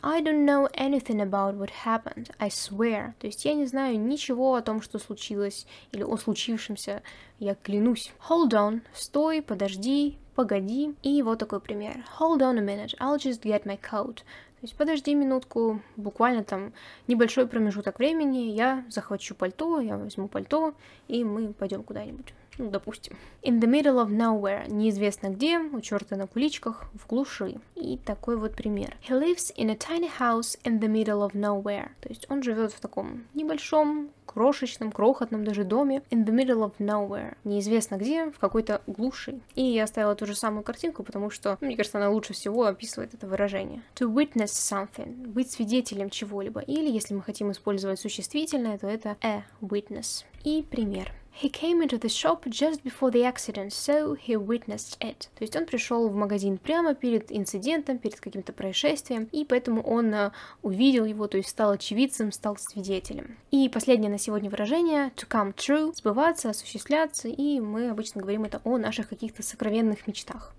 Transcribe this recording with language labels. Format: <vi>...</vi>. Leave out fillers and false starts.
<en>I don't know anything about what happened, I swear.</en> <ru>То есть я не знаю ничего о том, что случилось, или о случившемся, я клянусь.</ru> <en>Hold on,</en> <ru>стой, подожди, погоди. И вот такой пример.</ru> <en>Hold on a minute, I'll just get my coat.</en> <ru>То есть подожди минутку, буквально там небольшой промежуток времени, я захвачу пальто, я возьму пальто, и мы пойдем куда-нибудь. Ну, допустим.</ru> <en>In the middle of nowhere.</en> <ru>Неизвестно где, у черта на куличках, в глуши. И такой вот пример.</ru> <en>He lives in a tiny house in the middle of nowhere.</en> <ru>То есть он живет в таком небольшом, крошечном, крохотном даже доме.</ru> <en>In the middle of nowhere.</en> <ru>Неизвестно где, в какой-то глуши. И я оставила ту же самую картинку, потому что, мне кажется, она лучше всего описывает это выражение.</ru> <en>To witness something.</en> <ru>Быть свидетелем чего-либо. Или, если мы хотим использовать существительное, то это</ru> <en>a witness.</en> <ru>И пример.</ru> <en>He came into the shop just before the accident, so he witnessed it.</en> <ru>То есть он пришел в магазин прямо перед инцидентом, перед каким-то происшествием, и поэтому он увидел его, то есть стал очевидцем, стал свидетелем. И последнее на сегодня выражение</ru> <en>to come true,</en> <ru>сбываться, осуществляться, и мы обычно говорим это о наших каких-то сокровенных мечтах.</ru>